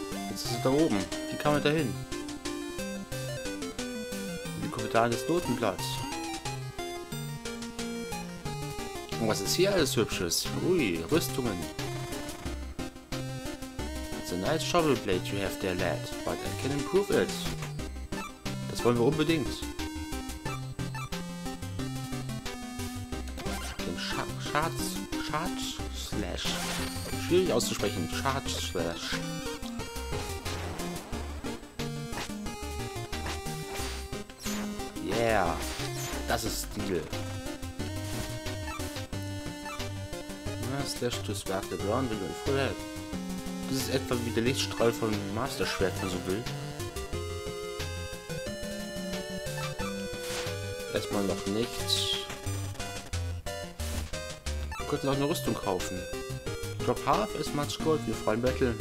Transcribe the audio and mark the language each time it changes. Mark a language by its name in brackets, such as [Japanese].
[German] Jetzt ist es da oben. Wie kam er da hin? Da ist Notenblatt. Und was ist hier alles Hübsches? Ui, Rüstungen. [English] It's a nice shovel blade you have there, lad. But I can improve it. [German] Das wollen wir unbedingt. Den Schad-Slash. Schwierig auszusprechen. Schad-Slash. Ja, das ist Stil. [English] Slash to spark the ground with your full head. [German] Das ist etwa wie der Lichtstrahl von Master Schwert, wenn man so will. Erstmal noch nichts. Wir könnten auch eine Rüstung kaufen. [English] Drop half as much gold [German] wie freien [English] Battle.